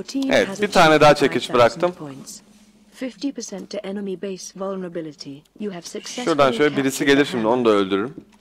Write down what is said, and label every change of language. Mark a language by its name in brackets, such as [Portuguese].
[Turkish] Evet, bir tane daha çekiç bıraktım. [English] 50% to enemy base vulnerability. You have successfully. [Turkish] Şuradan şöyle birisi gelir şimdi, onu da öldürürüm.